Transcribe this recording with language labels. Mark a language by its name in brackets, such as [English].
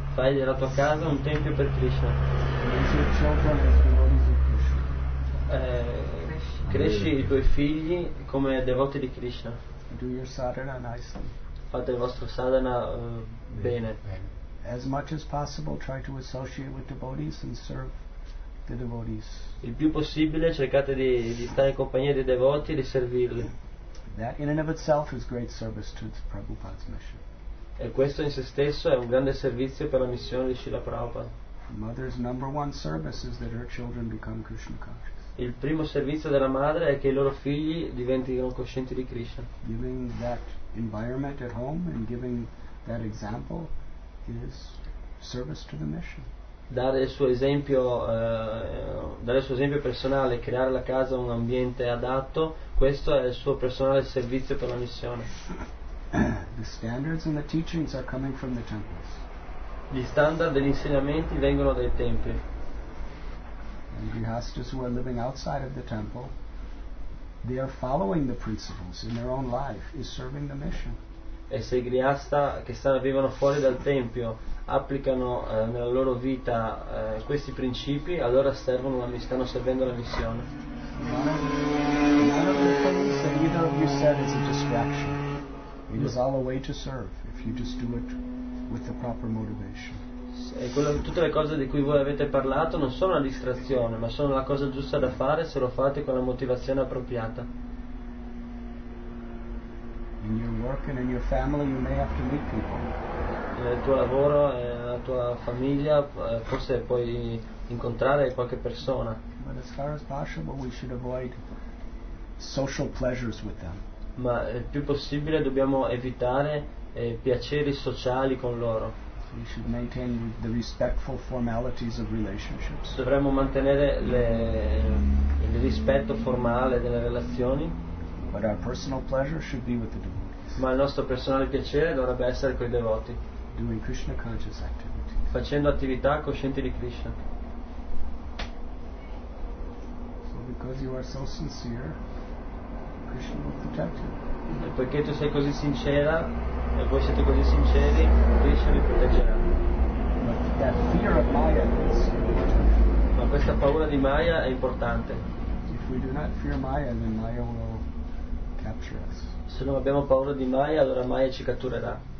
[Italian] Fai della tua casa un tempio per Krishna. [English] Raise your children as devotees of Krishna. [Italian] Cresci i tuoi figli come devoti di Krishna. [English] Do your sadhana nicely. [Italian] Fate il vostro sadhana bene. [English] As much as possible, try to associate with devotees and serve the devotees. [Italian] Il più possibile cercate di stare in compagnia dei devoti e di servirli. [English] That in and of itself is great service to Prabhupada's mission. [Italian] E questo in se stesso è un grande servizio per la missione di Srila Prabhupada. [English] mother's number one service is that her children become Krishna conscious. [Italian] Il primo servizio della madre è che i loro figli diventino coscienti di Krishna. [English] Giving that environment at home and giving that example is service to the mission. [Italian] Dare il suo esempio personale, creare la casa un ambiente adatto, questo è il suo personale servizio per la missione. [English] The standards and the teachings are coming from the temples. [Italian] Gli standard degli insegnamenti vengono dai templi. [English] And Grihasthas who are living outside of the temple, they are following the principles in their own life, is serving the mission. [Italian] E se i Grihastha che vivono fuori dal tempio applicano nella loro vita questi principi, allora stanno servendo la missione. [English] Neither of you said it's a distraction. It is all a way to serve if you just do it with the proper motivation. [Italian] Tutte le cose di cui voi avete parlato non sono una distrazione, ma sono la cosa giusta da fare se lo fate con la motivazione appropriata. [English] In your work and in your family you may have to meet people. [Italian] Nel tuo lavoro e nella tua famiglia forse puoi incontrare qualche persona. [English] But as far as possible we should avoid social pleasures with them. [Italian] Ma il più possibile dobbiamo evitare piaceri sociali con loro. [English] We should maintain the respectful formalities of relationships. [Italian] Dovremmo mantenere il rispetto formale delle relazioni. [English] But our personal pleasure should be with the devotees. [Italian] Ma il nostro personale piacere dovrebbe essere con i devoti. [English] Doing Krishna conscious activity. [Italian] Facendo attività coscienti di Krishna. [English] So because you are so sincere, Krishna will protect you. [Italian] E perché tu sei così sincera e voi siete così sinceri, Krishna vi proteggerà. [English] That fear of Maya is [Italian] ma questa paura di Maya è importante. [English] If we do not fear Maya, then Maya will capture us. [Italian] Se non abbiamo paura di Maya, allora Maya ci catturerà.